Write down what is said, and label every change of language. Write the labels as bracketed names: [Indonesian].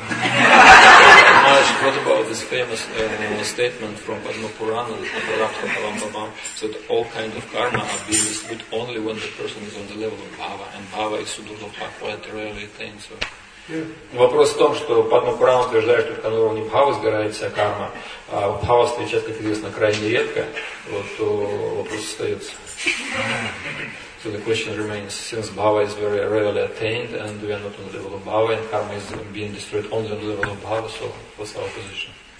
[Russian] Значит, [English] what about this famous statement from Padmapurana that prarabha palam pakam, that all kinds of karma are being destroyed only when the person is on the level of bhava, and bhava is sudurlabha, quite rarely attained. So. Yeah. [Russian] Вопрос в том, что Падмапурана утверждает, что только на уровне бхавы сгорает вся карма, а бхава встречает, как известно, крайне редко, вот, то вопрос остается. [English] So the question remains, since bhava is very rarely attained, and we are not on the level of bhava, and karma is being destroyed only on the level of bhava, so what's our position?